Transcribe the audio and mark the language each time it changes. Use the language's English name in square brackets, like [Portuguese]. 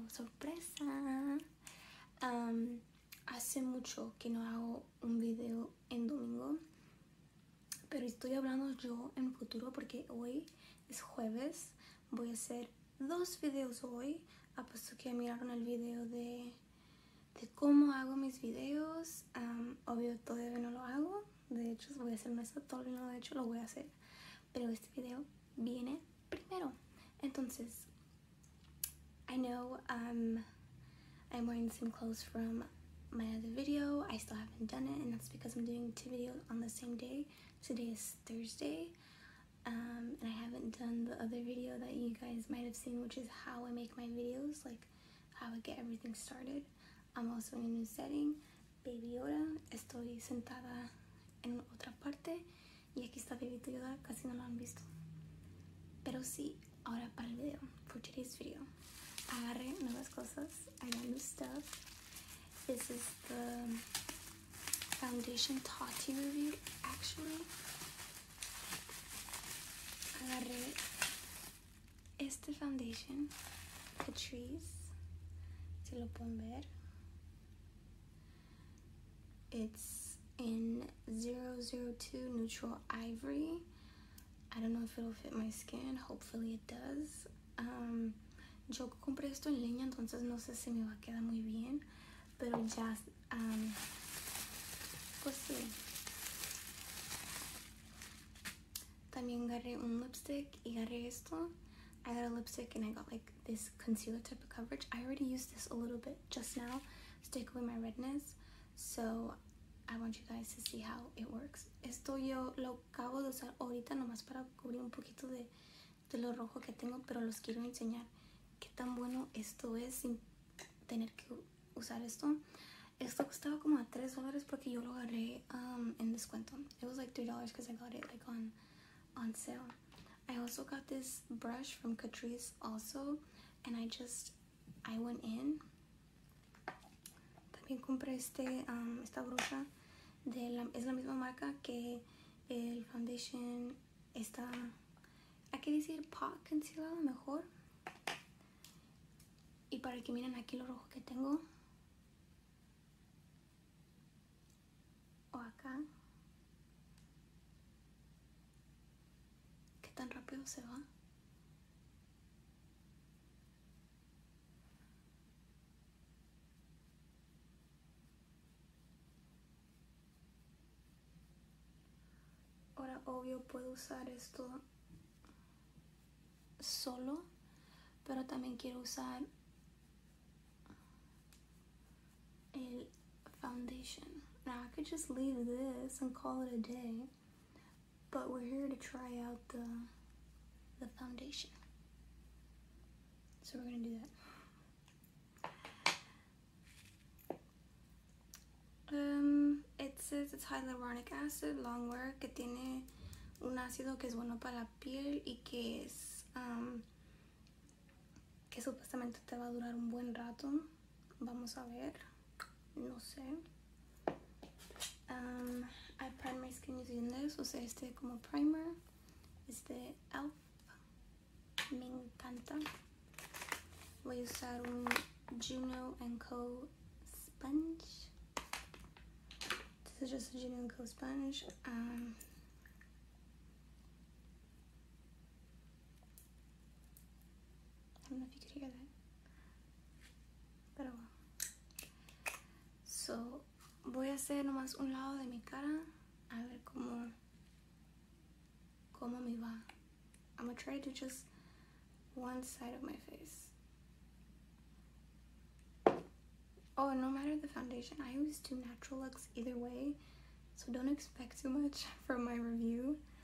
[Spanish] ¡Sorpresa! Hace mucho que no hago un video en domingo, pero estoy hablando yo en futuro porque hoy es jueves. Voy a hacer dos videos hoy. Apuesto que miraron el video de cómo hago mis videos. Obvio, todavía no lo hago. De hecho, voy a hacer un esto. Todavía no lo he hecho, lo voy a hacer. Pero este video viene primero. Entonces, [English] I know I'm wearing some clothes from my other video. I still haven't done it, and that's because I'm doing two videos on the same day. Today is Thursday. And I haven't done the other video that you guys might have seen, which is how I make my videos, like how I get everything started. I'm also in a new setting, Baby Yoda. [Spanish] Estoy sentada en otra parte y aquí está Baby Yoda. Casi no lo han visto, pero sí. Ahora para el video, [English] for today's video, [Spanish] agarré nuevas cosas. [English] I got new stuff. This is the foundation Tati reviewed, actually. [Spanish] Agarré este foundation, Catrice. Si lo pueden ver, [English] it's in 002 Neutral Ivory. I don't know if it'll fit my skin, hopefully it does. [Spanish] Yo compré esto en línea, entonces no sé si me va a quedar muy bien, pero ya, pues sí. También agarré un lipstick y agarré esto. [English] I got a lipstick and I got like this concealer type of coverage. I already used this a little bit just now to take away my redness. So I want you guys to see how it works. [Spanish] Esto yo lo acabo de usar ahorita nomás para cubrir un poquito de lo rojo que tengo, pero los quiero enseñar qué tan bueno esto es sin tener que usar esto. Esto costaba como a $3 porque yo lo agarré en descuento. [English] It was like $3 because I got it like on sale. I also got this brush from Catrice also, and I went in. [Spanish] También compré esta brocha de la, es la misma marca que el foundation. Esta, hay que decir pot concealer mejor. Y para que miren aquí lo rojo que tengo, o acá, tan rápido se va. Ahora, obvio, puedo usar esto solo, pero también quiero usar el foundation. [English] Now I could just leave this and call it a day, but we're here to try out the foundation. So we're gonna do that. It says it's hyaluronic acid, long wear, [Spanish] que tiene un ácido que es bueno para la piel y que es, que supuestamente te va a durar un buen rato. Vamos a ver. No sé. [English] I prime my skin using this. [Spanish] Usé este como primer. Este e.l.f. Me encanta. Voy a usar un Juno & Co. sponge. [English] This is just a Juno & Co. sponge. I don't know if you could hear that. [Spanish] Pero bueno. [English] So, [Spanish] voy a hacer nomás un lado de mi cara. A ver cómo me va. [English] I'm gonna try to just one side of my face. Oh, no matter the foundation, I always do natural looks either way, so don't expect too much from my review.